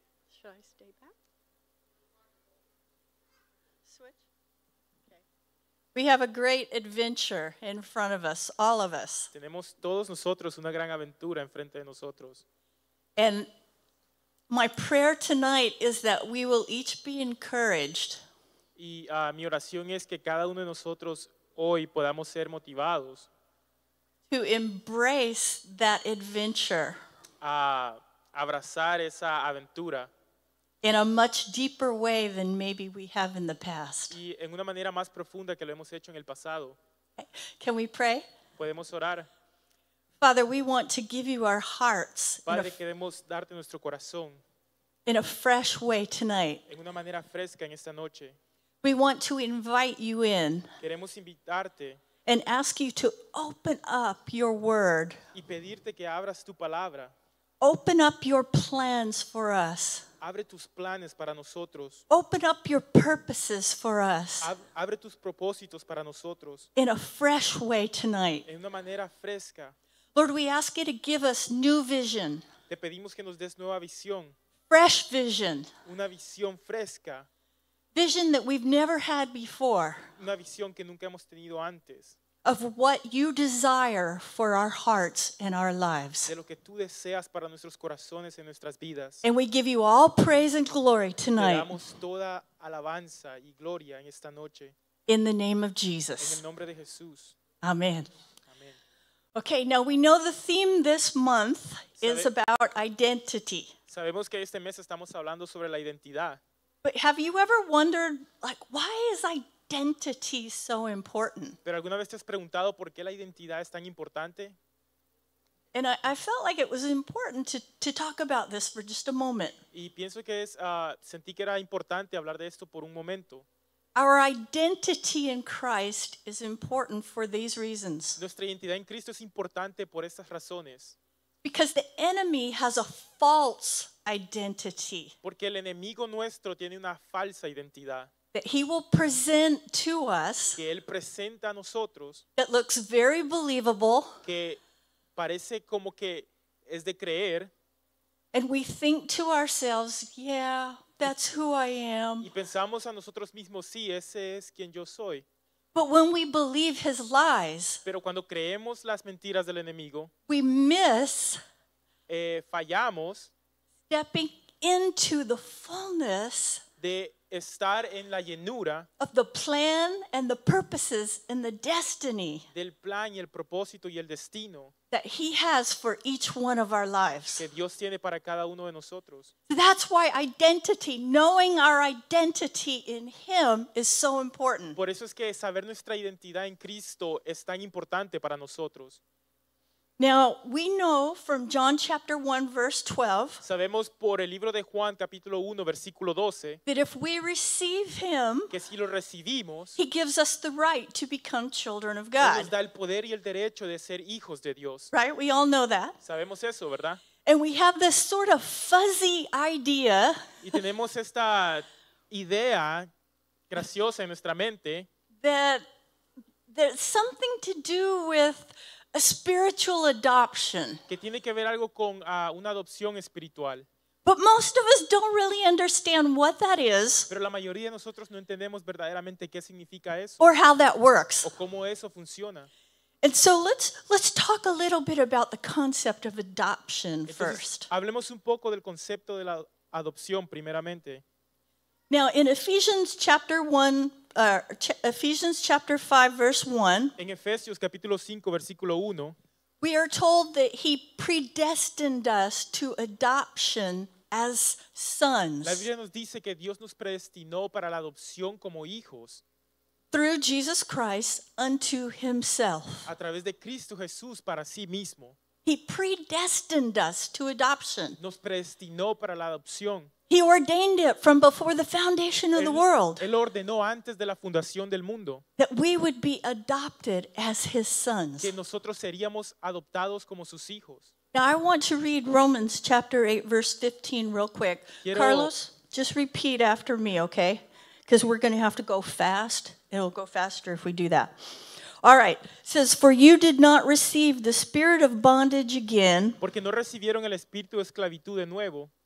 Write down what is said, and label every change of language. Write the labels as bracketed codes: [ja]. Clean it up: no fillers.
[en] Should I stay back? Switch? Okay. We have a great adventure in front of us, all of us. [es] Tenemos todos nosotros una gran aventura enfrente de nosotros. [en] And my prayer tonight is that we will each be encouraged. [es] Y mi oración es que cada uno de nosotros hoy podamos ser motivados [en] to embrace that adventure [es] a abrazar esa aventura [en] in a much deeper way than maybe we have in the past. [es] Y en una manera más profunda que lo hemos hecho en el pasado. [en] Can we pray? [es] ¿Podemos orar? [en] Father, we want to give you our hearts. [es] Padre, queremos darte nuestro corazón [en] in a fresh way tonight. [es] En una manera fresca en esta noche. [en] We want to invite you in. [es] Queremos invitarte [en] and ask you to open up your word. [es] Y pedirte que abras tu palabra. [en] Open up your plans for us. [es] Abre tus planes para nosotros. [en] Open up your purposes for us. [es] Abre tus propósitos para nosotros. [en] In a fresh way tonight. [es] En una manera fresca. [en] Lord, we ask you to give us new vision. [es] Te pedimos que nos des nueva visión. [en] Fresh vision. [es] Una visión fresca. [en] Vision that we've never had before. [es] Una visión que nunca hemos tenido antes. [en] Of what you desire for our hearts and our lives. [es] De lo que tú deseas para nuestros corazones y nuestras vidas. [en] And we give you all praise and glory tonight. [es] Te damos toda alabanza y gloria en esta noche. [en] In the name of Jesus. [es] En el nombre de Jesús. [en] Amen. Okay, now we know the theme this month is about identity. [es] Sabemos que este mes estamos hablando sobre la identidad. [en] But have you ever wondered, like, why is identity so important? [es] ¿Pero alguna vez te has preguntado por qué la identidad es tan importante? [en] And I felt like it was important to talk about this for just a moment. [es] Y pienso que es, sentí que era importante hablar de esto por un momento. [en] Our identity in Christ is important for these reasons. [es] Nuestra identidad en Cristo es importante por estas razones. [en] Because the enemy has a false identity. [es] Porque el enemigo nuestro tiene una falsa identidad. [en] That he will present to us. [es] Que él presenta a nosotros. [en] That looks very believable. [es] Que parece como que es de creer. [en] And we think to ourselves, yeah, that's who I am. [es] Y pensamos a nosotros mismos, sí, ese es quien yo soy. [en] But when we believe his lies, [es] pero cuando creemos las mentiras del enemigo, [en] we miss [es] fallamos [en] stepping into the fullness [es] de estar en la llenura [en] of the plan and the purposes and the destiny [es] del plan y el propósito y el destino [en] that he has for each one of our lives. [es] Que Dios tiene para cada uno de nosotros. [en] That's why identity, knowing our identity in him is so important. [es] Por eso es que saber nuestra identidad en Cristo es tan importante para nosotros. [en] Now, we know from John chapter 1, verse 12, [es] sabemos por el libro de Juan, capítulo 1, versículo 12, [en] that if we receive him, [es] que si lo recibimos, [en] he gives us the right to become children of God. [es] Él nos da el poder y el derecho de ser hijos de Dios. [en] Right? We all know that. [es] Sabemos eso, ¿verdad? [en] And we have this sort of fuzzy idea. [es] Y tenemos esta idea graciosa en nuestra mente. [en] That something to do with a spiritual adoption. [es] Que tiene que ver algo con una adopción espiritual. [en] But most of us don't really understand what that is. [es] Pero la mayoría de nosotros no entendemos verdaderamente qué significa eso. [en] Or how that works. [es] O cómo eso funciona. [en] And so let's talk a little bit about the concept of adoption. [es] Entonces, [en] first. [es] Hablemos un poco del concepto de la adopción primeramente. [en] Now in Ephesians chapter 1, Ephesians chapter 5, verse 1. [es] En Efesios capítulo 5, versículo 1. [en] We are told that he predestined us to adoption as sons. [es] La Biblia nos dice que Dios nos predestinó para la adopción como hijos. [en] through Jesus Christ unto himself. [es] A través de Cristo Jesús para sí mismo. [en] He predestined us to adoption. [es] Nos predestinó para la adopción. [en] He ordained it from before the foundation of the world. [es] Él ordenó antes de la fundación del mundo. [en] That we would be adopted as his sons. [es] Que nosotros seríamos adoptados como sus hijos. [en] Now I want to read Romans chapter 8 verse 15 real quick. [es] Quiero, [en] Carlos, just repeat after me, okay? Because we're going to have to go fast. It'll go faster if we do that. All right. It says, for you did not receive the spirit of bondage again. [es] Porque no recibieron el espíritu de esclavitud de nuevo.